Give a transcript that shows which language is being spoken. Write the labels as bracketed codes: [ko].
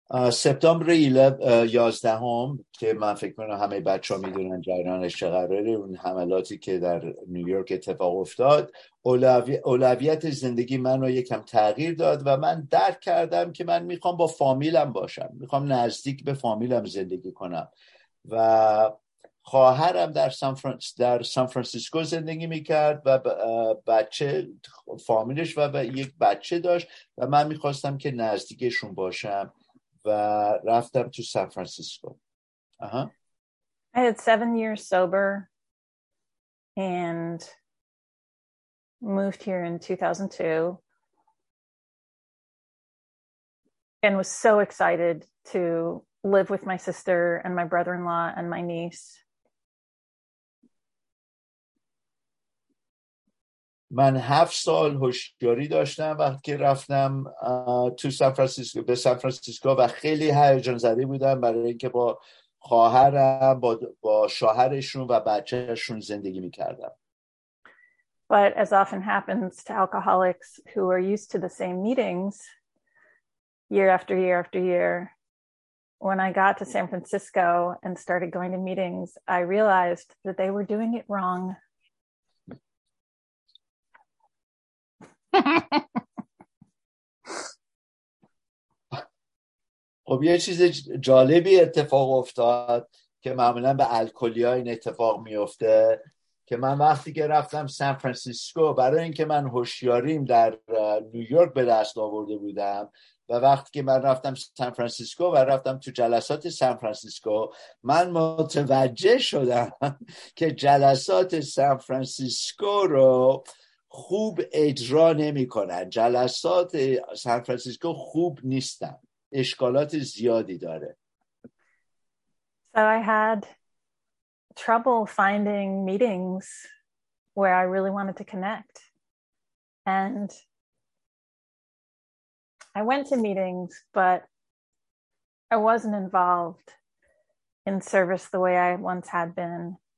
[fa] September 11th, که من فکر می‌کنم همه بچه‌ها می‌دونن جریانش چقدره، اون حملاتی که در نیویورک اتفاق افتاد، اولویت زندگی من رو یکم تغییر داد و من درک کردم که من می‌خوام با فامیلم باشم، می‌خوام نزدیک به فامیلم زندگی کنم و خواهرم در سان فرانسیسکو زندگی میکرد و بچه فامیلش و یک بچه داشت و من می‌خواستم که نزدیکشون باشم و رفتم تو سان فرانسیسکو. [en] I had 7 years sober and moved here in 2002 and was so excited to live with my sister and my brother-in-law and my niece. [fa] من 7 سال هوشیاری داشتم وقتی که رفتم تو سان فرانسیسکو، به سان فرانسیسکو، و خیلی هیجان زده بودم برای اینکه با خواهرم، با شوهرشون و بچه‌شون زندگی می‌کردم. [en] But as often happens to alcoholics who are used to the same meetings year after year after year, when I got to San Francisco and started going to meetings, I realized that they were doing it wrong. [fa] خب یه چیز جالبی اتفاق افتاد که معمولا به الکلی ها این اتفاق میفته، که من وقتی که رفتم سان فرانسیسکو، برای اینکه من هوشیاریم در نیویورک به دست آورده بودم، و وقتی که من رفتم سان فرانسیسکو و رفتم تو جلسات سان فرانسیسکو، من متوجه شدم که جلسات سان فرانسیسکو رو خوب اجرا نمی کنن، جلسات سان فرانسیسکو خوب نیستن، اشکالات زیادی داره. [en] So I had trouble finding meetings where I really wanted to connect. And I went to meetings, but I wasn't involved in service the way I once had been.